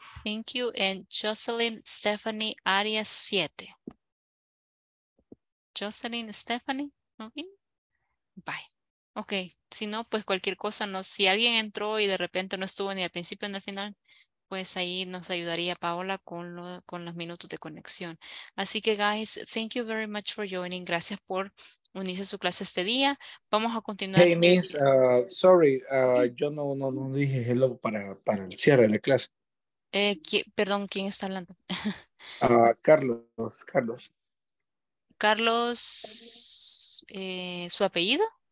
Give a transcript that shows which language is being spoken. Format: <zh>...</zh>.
<en>Thank you. And Jocelyn Stephanie Arias 7. Jocelyn Stephanie. Bye. Ok.</en> <es>Si no, pues cualquier cosa. No. Si alguien entró y de repente no estuvo ni al principio ni al final, pues ahí nos ayudaría Paola con los minutos de conexión. Así que,</es> <en>guys, thank you very much for joining.</en> <es>Gracias por unirse a su clase este día. Vamos a continuar.</es> <en>Hey, Miss, sorry.</en> <es>Yo no dije hello para el cierre de la clase. Perdón, ¿quién está hablando? Carlos. Carlos, ¿su apellido?</es>